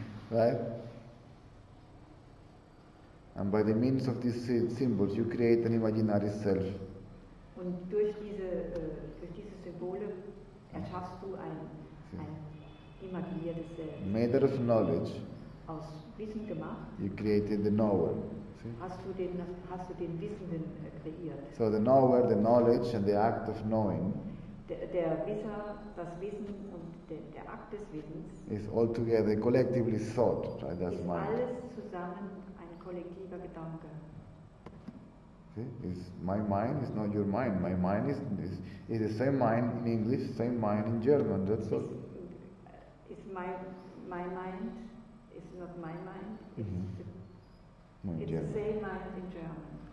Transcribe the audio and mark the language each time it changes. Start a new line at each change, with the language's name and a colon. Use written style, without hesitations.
English: Right? And by the means of these symbols, you create an imaginary self.
German: Und durch diese Symbole erschaffst du ein imaginiertes Selbst.
English: Made out of knowledge,
German: aus Wissen gemacht,
English: you created the knower.
German: Hast du den Wissenden kreiert?
English: So the knower, the knowledge, and the act of knowing.
German: Der Wisser, das Wissen und der Akt des Wissens.
English: Is altogether collectively thought, right? That's mind.
German: Ist alles zusammen ein kollektiver Gedanke.
English: See, is my mind is not your mind. My mind is the same mind in English, same mind in German. That's all. Is my mind is not my mind. It's the same mind in German.